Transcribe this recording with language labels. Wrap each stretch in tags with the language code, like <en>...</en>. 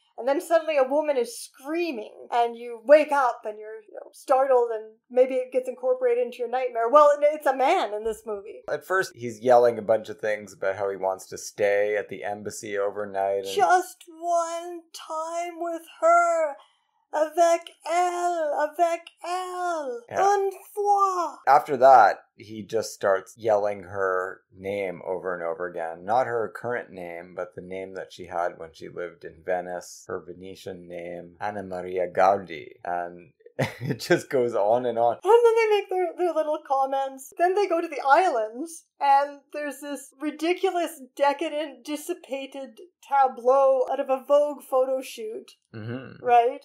<en>And then suddenly a woman is screaming and you wake up and you're, you know, startled, and maybe it gets incorporated into your nightmare. Well, it's a man in this movie. At first, he's yelling a bunch of things about how he wants to stay at the embassy overnight. And just one time with her.</en> <fr>Avec elle, avec elle, une fois.</fr> <en>After that, he just starts yelling her name over and over again. Not her current name, but the name that she had when she lived in Venice. Her Venetian name, Anna Maria Gaudi. And it just goes on and on. And then they make their little comments. Then they go to the islands, and there's this ridiculous, decadent, dissipated tableau out of a Vogue photo shoot, right?</en>